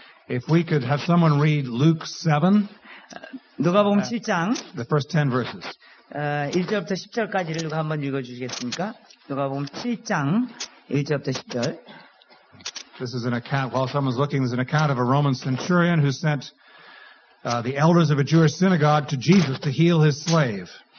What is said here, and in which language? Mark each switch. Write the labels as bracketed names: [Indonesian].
[English] If we could have someone read Luke 7. [Korean] 누가복음 7장 [English] the first 10 verses. [Korean] 1절부터 10절까지를 누가 한번 읽어주시겠습니까? 누가복음 7장 1절부터 10절. [English] This is an account. While someone's looking, this is an account of a Roman centurion who sent the elders of a Jewish synagogue to Jesus to heal his slave.